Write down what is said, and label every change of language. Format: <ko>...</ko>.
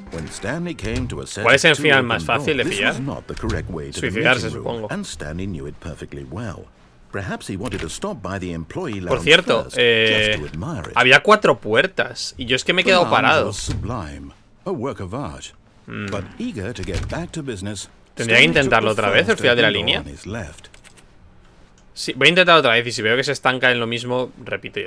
<es>¿Cuál es el final más fácil de pillar? Suicidarse, supongo.</es> <en>And Stanley knew it perfectly well. Perhaps he wanted to stop by the employee lounge.</en> <es>Por cierto, había cuatro puertas y yo es que me he quedado parado.</es> <en>A work of art. But eager to get back to business.</en> <es>Tendría que intentarlo otra vez al final de la línea. Sí, voy a intentar otra vez y si veo que se estanca en lo mismo, repito ya.</es>